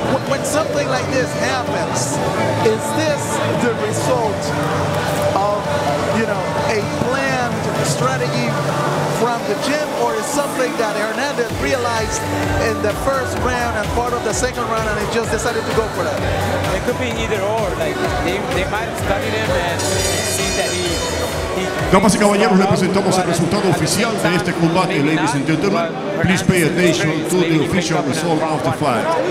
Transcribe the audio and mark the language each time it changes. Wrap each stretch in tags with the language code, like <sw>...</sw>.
<en>When something like this happens, is this the result of, you know, a planned strategy from the gym, or is something that Hernandez realized in the first round and part of the second round and he just decided to go for that? It could be either or. Like, they might have studied him and seen that he...</en> <es>Damas y caballeros, le presentamos el resultado oficial de este combate.</es> <en>Ladies and gentlemen, please pay attention to the official result of the fight.</en>